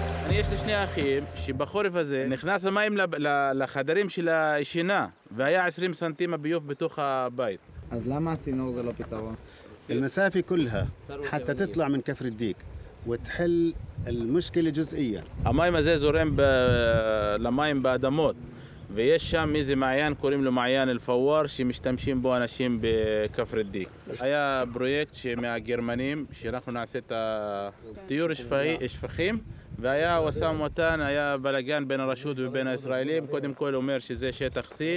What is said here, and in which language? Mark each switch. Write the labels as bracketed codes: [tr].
[he] יש לי שני אחים שבחורף הזה נכנס המים לחדרים של השינה והיה 20 סנטים הביוב בתוך הבית. אז למה הצינור זה לא פתרון? [ar] المسافه كلها حتى تطلع من كفر الديك وتحل المشكله جزئيه. [he] המים הזה זורם למים באדמות ויש שם איזה מעיין קוראים לו מעיין אלפואר שמשתמשים בו אנשים בכפר הדיק. היה פרויקט מהגרמנים שאנחנו נעשה את הטיור שפכים והיה ווסם מותן, היה בלגן בין הרשות ובין הישראלים, קודם כל אומר שזה שטח C.